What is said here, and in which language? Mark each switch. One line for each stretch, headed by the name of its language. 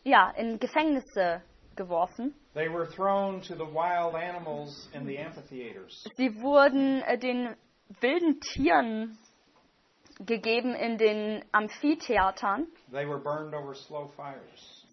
German: Ja, in Gefängnisse geworfen.
English: They were thrown to the wild animals in the amphitheaters.
German: Sie wurden den wilden Tieren gegeben in den Amphitheatern.
English: They were burned over slow fires.